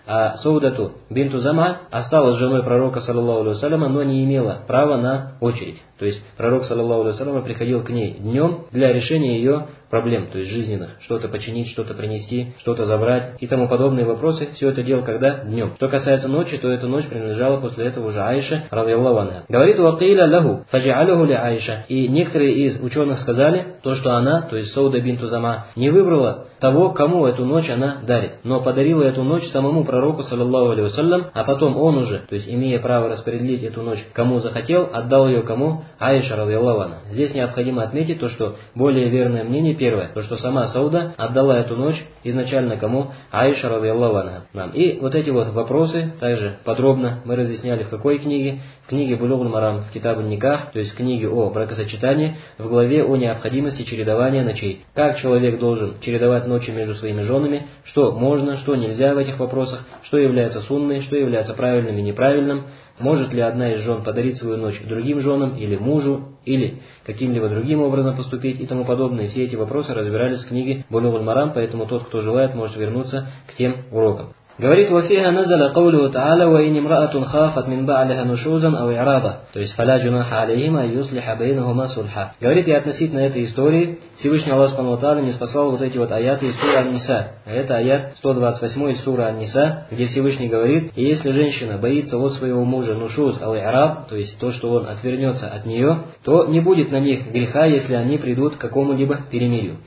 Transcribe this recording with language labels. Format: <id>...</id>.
<ru>А Саудату бинту Зам'а осталась женой пророка, саллаллаху алейхи ва саллям, но не имела права на очередь. То есть пророк, саллаллаху алейхи ва саллям, приходил к ней днем для решения ее проблем, то есть жизненных, что-то починить, что-то принести, что-то забрать и тому подобные вопросы, все это делал когда? Днем. Что касается ночи, то эта ночь принадлежала после этого уже Аиша, радиаллаху анха. Говорит,</ru> <ar>وَقِيلَ لَهُ فَجَعَلَهُ لِعَيْشَ.</ar> <ru>И некоторые из ученых сказали, то, что она, то есть Сауда бинту Зам'а, не выбрала того, кому эту ночь она дарит, но подарила эту ночь самому пророку, саллаллаху алейхи ва саллям, а потом он уже, то есть имея право распределить эту ночь, кому захотел, отдал ее кому? Аиша, радиаллаху анха. Здесь необходимо отметить то, что более верное мнение первое, то что сама Сауда отдала эту ночь изначально кому? Аиша, радиаллаху анха. И вот эти вот вопросы также подробно мы разъясняли в какой книге? В книге Булугуль Марам, в Китабу Никах, то есть в книге о бракосочетании, в главе о необходимости чередования ночей. Как человек должен чередовать ночи между своими женами, что можно, что нельзя в этих вопросах, что является сунной, что является правильным и неправильным, может ли одна из жен подарить свою ночь другим женам или мужу, или каким-либо другим образом поступить и тому подобное. Все эти вопросы разбирались в книге Булугуль Марам, поэтому тот, кто желает, может вернуться к тем урокам. Говорит,</ru> <ar>وَفِيهَا نَزَلَ قَوْلُهُ تَعَالَى وَإِنِ امْرَأَةٌ خَافَتْ مِنْ بَعْلِهَا نُشُوزًا أَوْ إِعْرَاضًا.</ar> <ru>То есть,</ru> <ar>فَلَا جُنَاحَ عَلَيْهِمَا يُصْلِحَ بَيْنَهُمَا صُلْحًا.</ar> <ru>Говорит, и относительно этой истории, Всевышний Аллах Субхану ва Тааля ниспослал вот эти вот аяты из суры Ан-Ниса. Это аят 128 из суры Ан-Ниса, где Всевышний говорит, и если женщина боится от своего мужа нушуз ал-и'раб, то есть то, что он отвернется от нее, то не будет на них греха, если они придут к какому-либо перемирию.</ru>